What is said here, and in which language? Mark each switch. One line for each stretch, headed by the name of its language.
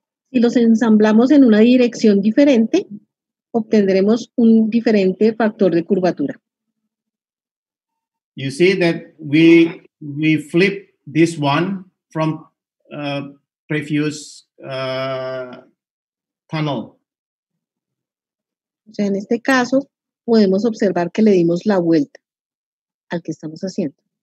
Spanish: Si los ensamblamos en una dirección diferente, obtendremos un diferente factor de curvatura.
English: You see that we flip this one from previous tunnel.
Spanish: O sea, en este caso podemos observar que le dimos la vuelta al que estamos haciendo.